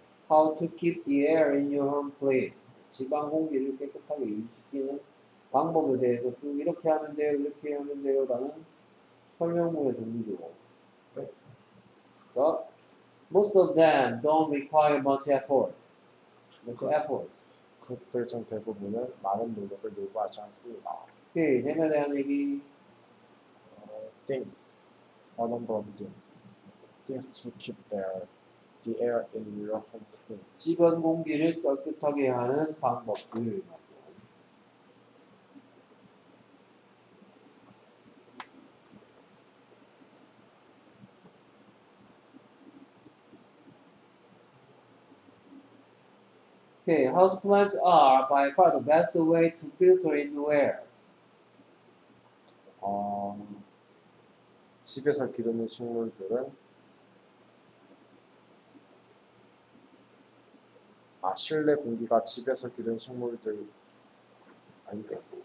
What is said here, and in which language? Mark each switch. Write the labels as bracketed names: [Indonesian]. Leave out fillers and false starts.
[English] How to keep the air in your home clean. [Korean] 집안 공기를 깨끗하게 유지시키는 방법에 대해서 쭉 이렇게 하면 돼요, 이렇게 하면 돼요 라는 설명문의 정리죠. 그러니까 [English] most of them don't require much effort. Much effort. [Korean] 그것들 중 대부분은 많은 노력을 요구하지 않습니다. 네, 내가 대한 얘기. [English] Things, a number of things. Things to keep the air in your home clean. [Korean] 집안 공기를 깨끗하게 하는 방법들. [English] Okay, houseplants are by far the best way to filter in the air. [Korean] 집에서 기르는 식물들은 실내 공기가 집에서 기른 식물들 아니죠?